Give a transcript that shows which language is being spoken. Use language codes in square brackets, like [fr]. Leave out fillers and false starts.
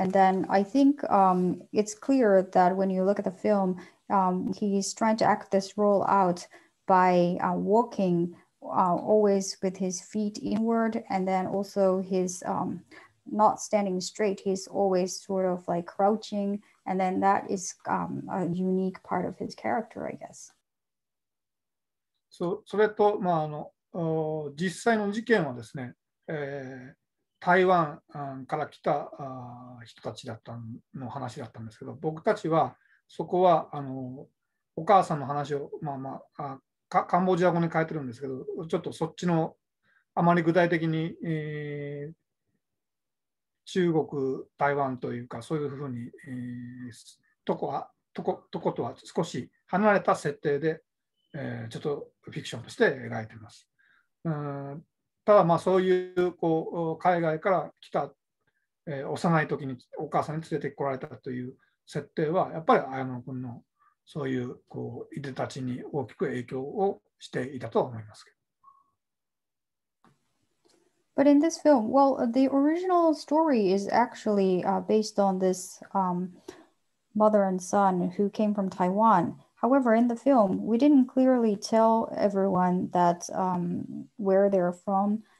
[en] And then I think it's clear that when you look at the film, he's trying to act this role out by walking always with his feet inward, and then also his not standing straight. He's always sort of like crouching, and then that is a unique part of his character, I guess. [ja] それと、実際の事件はですね、台湾から来た人たちだったの話だったんですけど、僕たちはそこはお母さんの話を、カンボジア語に変えてるんですけど、ちょっとそっちのあまり具体的に、中国、台湾というか、そういうふうに、とは少し離れた設定で、ちょっとフィクションとして描いてます。ただそういう、こう海外から来た、幼い時にお母さんに連れてこられたという設定はやっぱり綾野くんのそういう、こういでたちに大きく影響をしていたと思いますけど。 [en] But in this film, well, the original story is actually based on this mother and son who came from Taiwan. However, in the film, we didn't clearly tell everyone that where they're from.